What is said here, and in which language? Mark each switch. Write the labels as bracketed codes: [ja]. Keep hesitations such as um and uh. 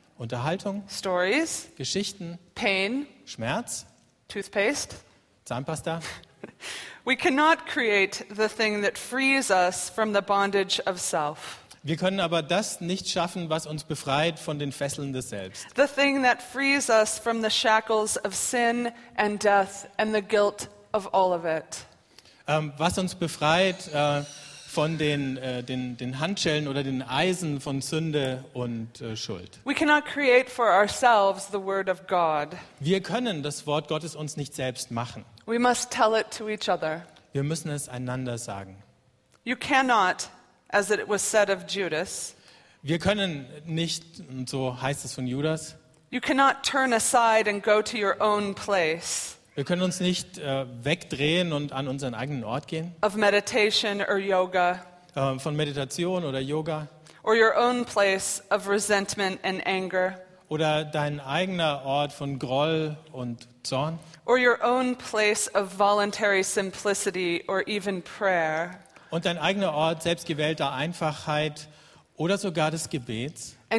[de] Unterhaltung. [en] Stories. [de] Geschichten. [en] Pain. [de] Schmerz. [en] Toothpaste. [de] Zahnpasta. können nicht das Ding [en] thing that frees us from the bondage of self. [de] Wir können aber das nicht schaffen, was uns befreit von den Fesseln des Selbst. [en] The thing that frees us from the shackles of sin and death and the guilt of all of it. [de] Um, was uns befreit uh, von den, uh, den, den Handschellen oder den Eisen von Sünde und uh, Schuld. [en] We cannot create for ourselves the word of God. [de] Wir können das Wort Gottes uns nicht selbst machen. [en] We must tell it to each other. [de] Wir müssen es einander sagen. [en] You cannot as it was said of Judas. [de] Nicht, so Judas. [en] You cannot turn aside and go to your own place. [de] Wir können uns nicht äh, wegdrehen an unseren eigenen Ort gehen. [en] Of meditation or yoga. [de] Äh, von Meditation oder Yoga. [en] Or your own place of resentment and anger. [de] Oder dein eigener Ort von Groll und Zorn. [en] Or your own place of voluntary simplicity or even prayer. [de] und dein eigener Ort selbstgewählter Einfachheit oder sogar des Gebets